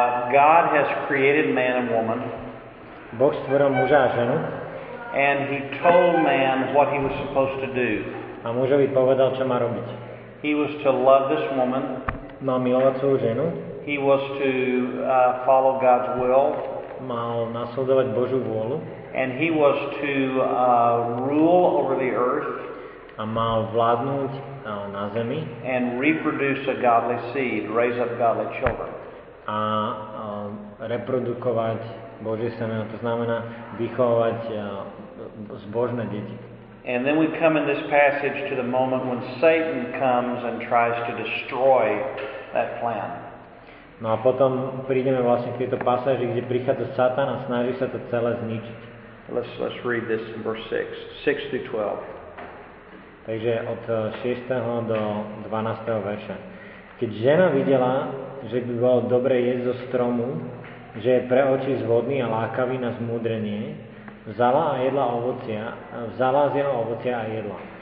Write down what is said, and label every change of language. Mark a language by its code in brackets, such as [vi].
[en] God has created man and woman. [sk] Boh stvoril muža a ženu. [en] And he told man what he was supposed to do. [sk] A mužovi povedal, čo má robiť. [en] He was to love this woman. [sk] Mal milovať svoju ženu. [en] He was to follow God's will. [sk] Mal nasledovať Božiu vôľu. [en] And he was to rule over the earth. [sk] A mal vládnuť na zemi. [en] And reproduce a godly seed, raise up godly children. [sk] A reprodukovať Božie semeno, to znamená vychovávať zbožné deti. [en] And then we come in this passage to the moment when Satan comes and tries to destroy that plan. [sk] No a potom prídeme vlastne k tejto pasáži, kde prichádza Satan a snaží sa to celé zničiť. [en] Let's read this in verse 6-12. [sk] Takže od 6. do 12. verša. Keď žena videla, že by bolo dobre jesť zo stromu, že je pre oči zvodný a lákavý na zmúdrenie, vzala a jedla ovocia, vzala z jeho ovocia a jedla.